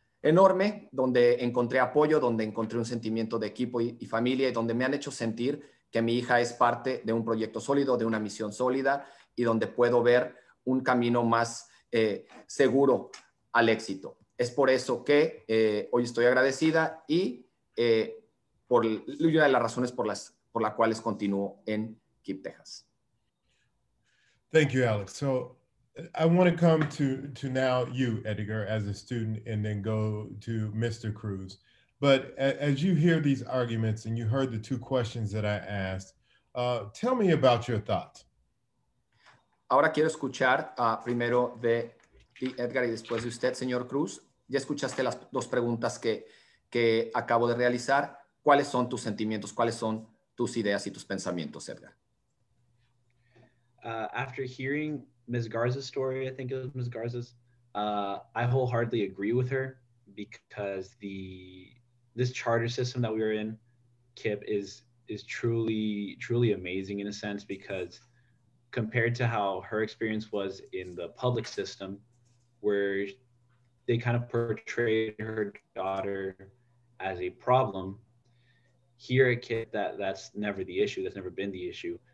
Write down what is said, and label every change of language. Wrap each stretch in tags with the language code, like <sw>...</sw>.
<es>enorme, donde encontré apoyo, donde encontré un sentimiento de equipo y familia, y donde me han hecho sentir que mi hija es parte de un proyecto sólido, de una misión sólida, y donde puedo ver un camino más seguro al éxito. Es por eso que hoy estoy agradecida y por una de las razones por las cuales continúo en KIPP Texas.</es> <en>Thank you, Alex. So I want to come to now you, Edgar, as a student, and then go to Mr. Cruz. But as you hear these arguments and you heard the two questions that I asked, tell me about your thoughts.</en> <es>Ahora quiero escuchar primero de ti, Edgar, y después de usted, señor Cruz. Ya escuchaste las dos preguntas que acabo de realizar. ¿Cuáles son tus sentimientos? ¿Cuáles son tus ideas y tus pensamientos, Edgar?</es> <en>After hearing Ms. Garza's story, I think it was Ms. Garza's, I wholeheartedly agree with her because this charter system that we're in, KIPP, is truly, truly amazing in a sense because compared to how her experience was in the public system, where they kind of portrayed her daughter as a problem, here at KIPP, that's never the issue. That's never been the issue.</en>